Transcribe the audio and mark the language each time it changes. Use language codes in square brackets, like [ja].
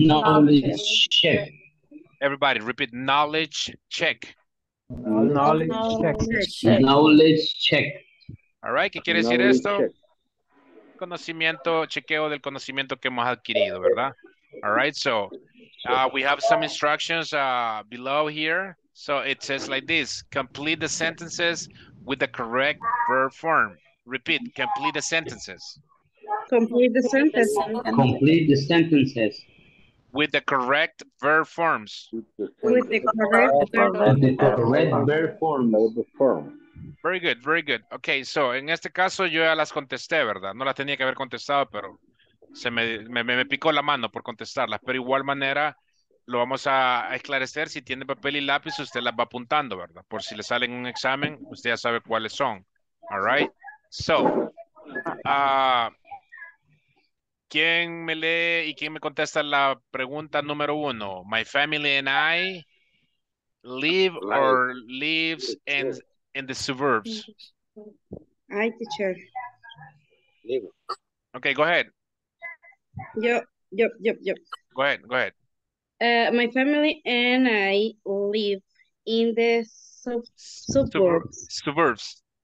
[en] Knowledge check. Everybody, repeat, knowledge check. Knowledge check. Knowledge check. All right, [es] ¿qué quiere decir esto? Check. Conocimiento, chequeo del conocimiento que hemos adquirido, ¿verdad? [en] All right, so we have some instructions below here. So it says like this, complete the sentences with the correct verb form. Repeat, complete the sentences. Complete the sentences. Complete the sentences. With the correct verb forms. With the correct verb forms. With the correct verb form. Very good, very good. Okay, so [es] en este caso yo ya las contesté, ¿verdad? No las tenía que haber contestado, pero se me picó la mano por contestarlas. Pero igual manera... Lo vamos a esclarecer. Si tiene papel y lápiz, usted las va apuntando, ¿verdad? Por si le sale en un examen, usted ya sabe cuáles son. [en] All right? So, [es] ¿Quién me lee y quién me contesta la pregunta número uno? [en] My family and I live or lives in the suburbs. Hi, teacher. Okay, go ahead. [es] Yo. [en] Go ahead. My family and I live in the suburbs.